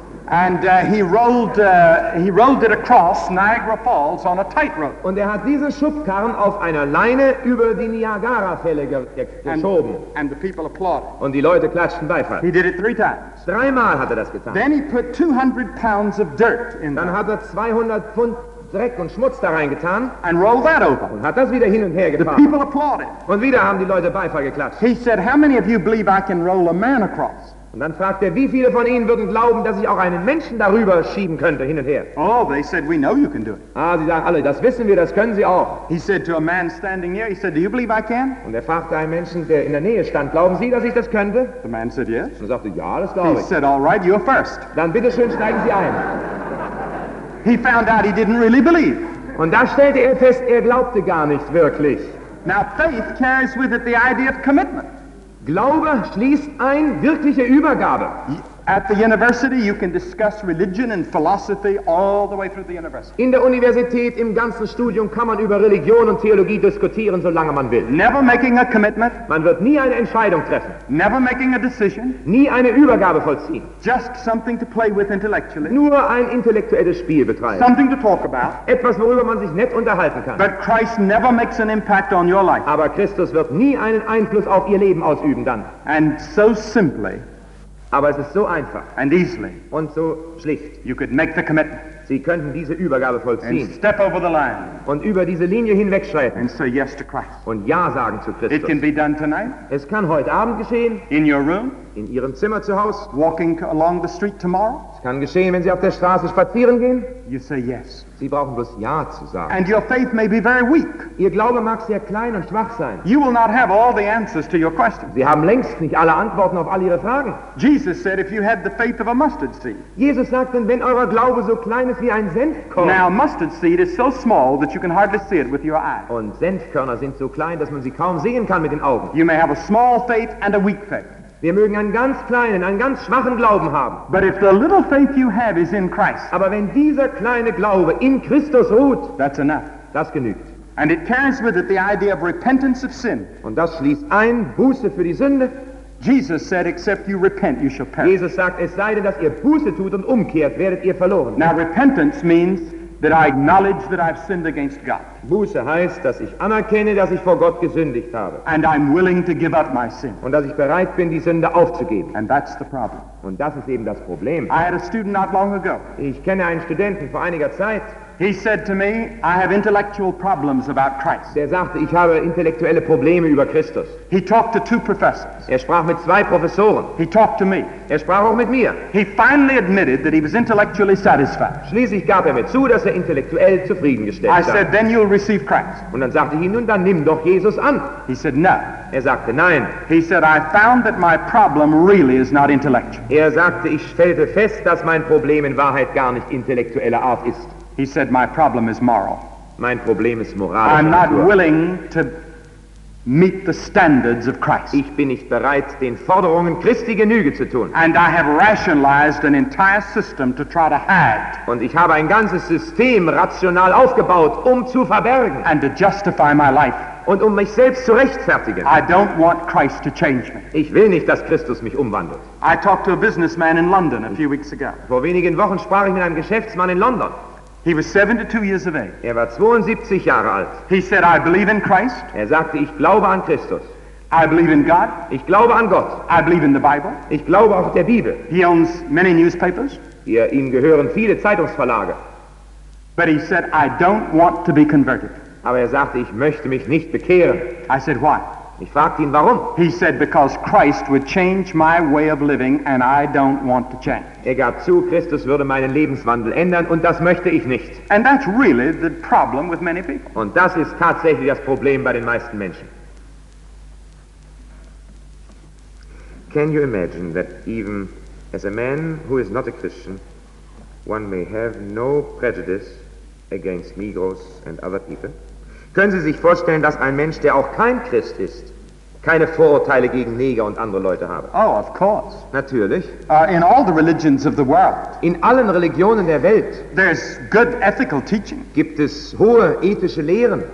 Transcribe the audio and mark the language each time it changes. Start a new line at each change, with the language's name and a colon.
English: And he rolled it across Niagara Falls on a tightrope.
German: Und hat diesen Schubkarren auf einer Leine über die Niagara-Fälle geschoben.
English: And the people applauded.
German: Und die Leute klatschten Beifall.
English: He did it three times.
German: Dreimal hat das getan.
English: Then he put 200 pounds of dirt in.
German: Dann hat 200 Pfund Dreck und Schmutz da reingetan.
English: And rolled that over.
German: Und hat das wieder hin und her getan.
English: The people applauded.
German: Und wieder haben die Leute Beifall geklatscht.
English: He said, "How many of you believe I can roll a man across?"
German: Und dann fragt wie viele von Ihnen würden glauben, dass ich auch einen Menschen darüber schieben könnte, hin und her?
English: Oh, they said, we know you can do it.
German: Ah, sie sagen alle, das wissen wir, das können Sie auch.
English: He said to a man standing near, he said, do you believe I can?
German: Und fragte einen Menschen, der in der Nähe stand, glauben Sie, dass ich das könnte?
English: The man said, yes.
German: Und sagte, ja, das glaube ich.
English: He said, all right, you're first.
German: Dann bitteschön, steigen Sie ein.
English: He found out he didn't really believe.
German: Und da stellte fest, glaubte gar nicht wirklich.
English: Now, faith carries with it the idea of commitment.
German: Glaube schließt ein wirkliche Übergabe.
English: At the university you can discuss religion and philosophy all the way through the university.
German: In der Universität im ganzen Studium kann man über Religion und Theologie diskutieren solange man will.
English: Never making a commitment.
German: Man wird nie eine Entscheidung treffen.
English: Never making a decision.
German: Nie eine Übergabe vollziehen.
English: Just something to play with intellectually.
German: Nur ein intellektuelles Spiel betreiben.
English: Something to talk about.
German: Etwas worüber man sich nett unterhalten kann.
English: But Christ never makes an impact on your life.
German: Aber Christus wird nie einen Einfluss auf ihr Leben ausüben dann.
English: And so simply.
German: Aber es ist so einfach
English: and easily,
German: und so schlicht.
English: You could make the commitment.
German: Sie könnten diese Übergabe vollziehen
English: and step over the line
German: und über diese Linie hinwegschreiten
English: and say yes to Christ.
German: Und Ja sagen zu Christus.
English: It can be done tonight.
German: Es kann heute Abend geschehen.
English: In your room.
German: In Ihrem Zimmer zu Hause.
English: Walking along the street tomorrow.
German: Es kann geschehen, wenn Sie auf der Straße spazieren gehen.
English: You say yes.
German: Sie brauchen bloß Ja zu sagen.
English: And your faith may be very weak.
German: Ihr Glaube mag sehr klein und schwach sein.
English: You will not have all the answers to your questions.
German: Sie haben längst nicht alle Antworten auf all Ihre Fragen.
English: Jesus said, if you had the faith of a mustard seed.
German: Jesus sagt, wenn euer Glaube so klein ist wie ein Senfkorn.
English: Now, mustard seed is so small that you can hardly see it with your eye.
German: Und Senfkörner sind so klein, dass man sie kaum sehen kann mit den Augen.
English: You may have a small faith and a weak faith.
German: Wir mögen einen ganz kleinen, einen ganz schwachen Glauben haben.
English: But if the little faith you have is in Christ,
German: aber wenn dieser kleine Glaube in Christus ruht,
English: that's enough.
German: Das genügt.
English: And it carries with it the idea of repentance of sin.
German: Und das schließt ein, Buße für die Sünde.
English: Jesus said, except you repent, you shall perish.
German: Jesus sagt, es sei denn, dass ihr Buße tut und umkehrt, werdet ihr verloren.
English: Now repentance means that I acknowledge that I've sinned against God.
German: Buße heißt, dass ich anerkenne, dass ich vor Gott gesündigt habe.
English: And I'm willing to give up my sin.
German: Und dass ich bereit bin, die Sünde aufzugeben.
English: And that's the problem.
German: Und das ist eben das Problem.
English: I had a student not long ago.
German: Ich kenne einen Studenten vor einiger Zeit.
English: He said to me, I have intellectual problems about Christ.
German: Der sagte, ich habe intellektuelle Probleme über Christus.
English: He talked to two professors.
German: Er sprach mit zwei Professoren.
English: He talked to me.
German: Er sprach auch mit mir.
English: He finally admitted that he was intellectually satisfied.
German: Schließlich gab er mir zu, dass er intellektuell zufriedengestellt war.
English: I said, then you'll receive Christ.
German: Und dann sagte ich ihm, nun dann nimm doch Jesus an.
English: He said, no.
German: Er sagte, nein.
English: He said, I found that my problem really is not intellectual.
German: Er sagte, ich stellte fest, dass mein Problem in Wahrheit gar nicht intellektueller Art ist.
English: He said, my problem is moral.
German: Mein Problem ist moralisch.
English: I'm not willing to meet the standards of Christ.
German: Ich bin nicht bereit, den Forderungen Christi Genüge zu tun.
English: And I have rationalized an entire system to try to hide.
German: Und ich habe ein ganzes System rational aufgebaut, um zu verbergen.
English: And to justify my life.
German: Und um mich selbst zu rechtfertigen.
English: I don't want Christ to change me.
German: Ich will nicht, dass Christus mich umwandelt.
English: I talked to a businessman in London a few weeks ago.
German: Vor wenigen Wochen sprach ich mit einem Geschäftsmann in London.
English: He was 72 years of age.
German: Er war 72 Jahre alt.
English: He said, I believe in Christ.
German: Er sagte, ich glaube an Christus.
English: I believe in God.
German: Ich glaube an Gott.
English: I believe in the Bible.
German: Ich glaube auch der Bibel.
English: He owns many newspapers.
German: Ihm gehören viele Zeitungsverlage.
English: But he said, I don't want to be converted.
German: Aber er sagte, ich möchte mich nicht bekehren.
English: I said, why?
German: Ich fragte ihn, warum?
English: He said, because Christ would change my way of living and I don't want to change.
German: Er gab zu, Christus würde meinen Lebenswandel ändern und das möchte ich nicht.
English: And that's really the problem with many people.
German: Und das ist tatsächlich das Problem bei den meisten Menschen.
English: Can you imagine that even as a man who is not a Christian, one may have no prejudice against Negroes and other people?
German: Können Sie sich vorstellen, dass ein Mensch, der auch kein Christ ist, keine Vorurteile gegen Neger und andere Leute habe?
English: Oh, of course.
German: Natürlich.
English: In all the religions of the world.
German: In allen Religionen der Welt.
English: There's good ethical teaching.
German: Gibt es hohe ethische Lehren?